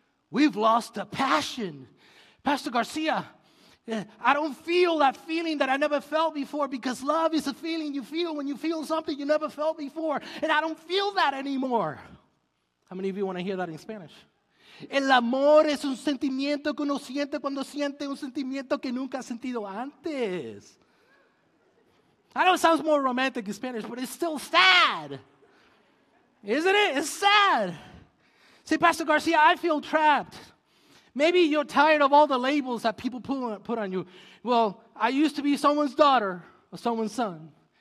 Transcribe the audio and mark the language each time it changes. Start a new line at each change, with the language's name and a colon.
English: We've lost the passion. Pastor Garcia, I don't feel that feeling that I never felt before, because love is a feeling you feel when you feel something you never felt before. And I don't feel that anymore. How many of you want to hear that in Spanish?
Spanish: El amor es un sentimiento que uno siente cuando siente un sentimiento que nunca ha sentido antes.
English: I know it sounds more romantic in Spanish, but it's still sad. Isn't it? It's sad. See, Pastor Garcia, I feel trapped. Maybe you're tired of all the labels that people put on you. Well, I used to be someone's daughter or someone's son.